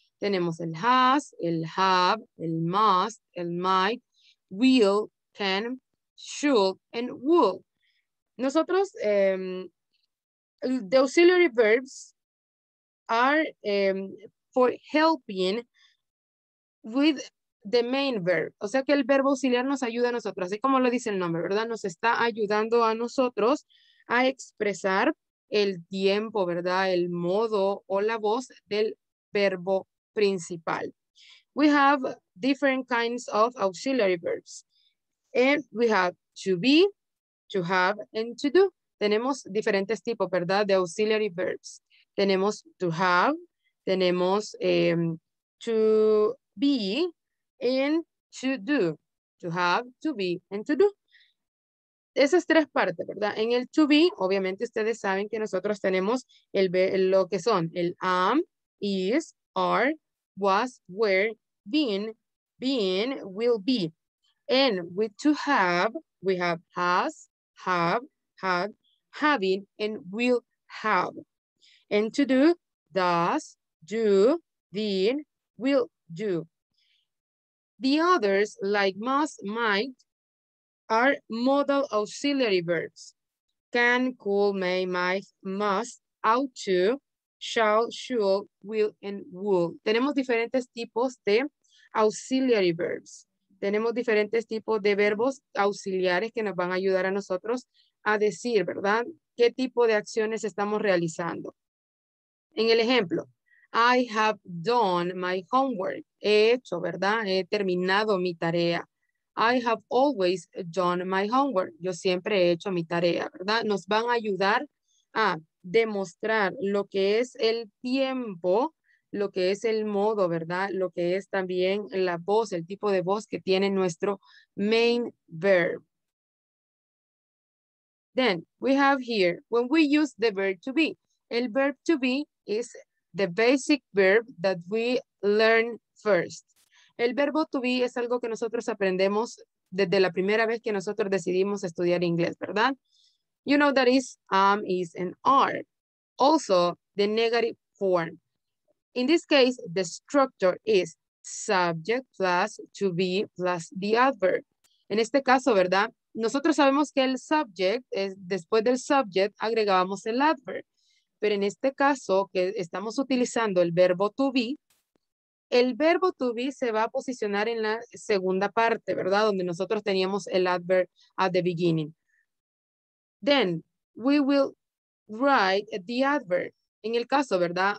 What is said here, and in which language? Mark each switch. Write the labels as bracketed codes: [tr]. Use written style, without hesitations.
[es] Tenemos el has, el have, el must, el might, will, can, should, and would. [en] Nosotros, the auxiliary verbs are for helping with the main verb. [es] O sea que el verbo auxiliar nos ayuda a nosotros, así como lo dice el nombre, ¿verdad? Nos está ayudando a nosotros a expresar el tiempo, ¿verdad? El modo o la voz del verbo principal. [en] We have different kinds of auxiliary verbs. And we have to be, to have, and to do. [es] Tenemos diferentes tipos, ¿verdad? De auxiliary verbs. Tenemos to have, tenemos to be, and to do. [en] To have, to be, and to do. [es] Esas tres partes, ¿verdad? En el to be, obviamente ustedes saben que nosotros tenemos lo que son el am, is, are, was, were, been, will be. [en] And with to have, we have has, have, had, having, and will have. And to do, does, do, did, will do. The others, like must, might, are modal auxiliary verbs. Can, could, may, might, must, ought to, shall, should, will, and would. [es] Tenemos diferentes tipos de auxiliary verbs. Tenemos diferentes tipos de verbos auxiliares que nos van a ayudar a nosotros a decir, ¿verdad? ¿Qué tipo de acciones estamos realizando? En el ejemplo, [en] I have done my homework. [es] He hecho, ¿verdad? He terminado mi tarea. [en] I have always done my homework. [es] Yo siempre he hecho mi tarea, ¿verdad? Nos van a ayudar a demostrar lo que es el tiempo, lo que es el modo, ¿verdad? Lo que es también la voz, el tipo de voz que tiene nuestro main verb. [en] Then, we have here, when we use the verb to be. El verb to be is the basic verb that we learn first. [es] El verbo to be es algo que nosotros aprendemos desde la primera vez que nosotros decidimos estudiar inglés, ¿verdad? [en] You know that is am, is, and are. Also, the negative form. In this case, the structure is subject plus to be plus the adverb. [es] En este caso, ¿verdad? Nosotros sabemos que el subject, es después del subject, agregábamos el adverb. Pero en este caso, que estamos utilizando el verbo to be, el verbo to be se va a posicionar en la segunda parte, ¿verdad? Donde nosotros teníamos el adverb [en] at the beginning. Then, we will write the adverb. [es] En el caso, ¿verdad?